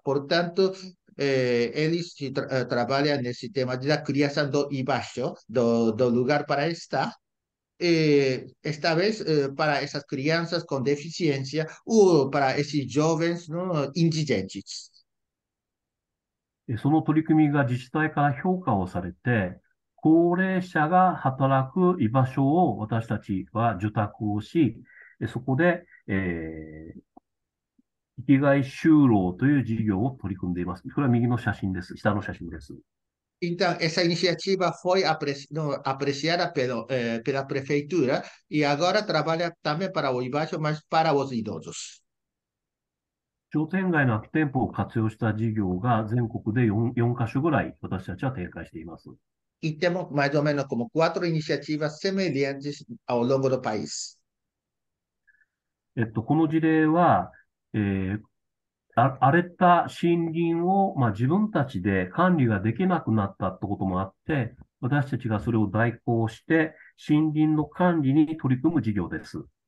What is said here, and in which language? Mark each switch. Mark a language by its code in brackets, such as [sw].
[pt] Portanto, eles trabalham nesse tema da criação do Ibasho, do lugar para estar. E, esta vez, para essas crianças com deficiência ou para esses jovens indigentes. [ja] その取り組みが自治体から評価をされて、高齢者が働く居場所を私たちは受託をし、そこで、生きがい就労という事業を取り組んでいます。これは右の写真です。下の写真です。 [pt] Então, essa iniciativa foi apreciada pela prefeitura e agora trabalha também para o Ibaixo, mas para os idosos. [ja] 商店街の空き店舗を活用した事業が全国で4カ所ぐらい私たちは展開しています。 [pt] E temos mais ou menos como quatro iniciativas semelhantes ao longo do país. [ja] この事例は、荒れた森林を、自分たちで管理ができなくなったってこともあって、私たちがそれを代行して、森林の管理に取り組む事業です。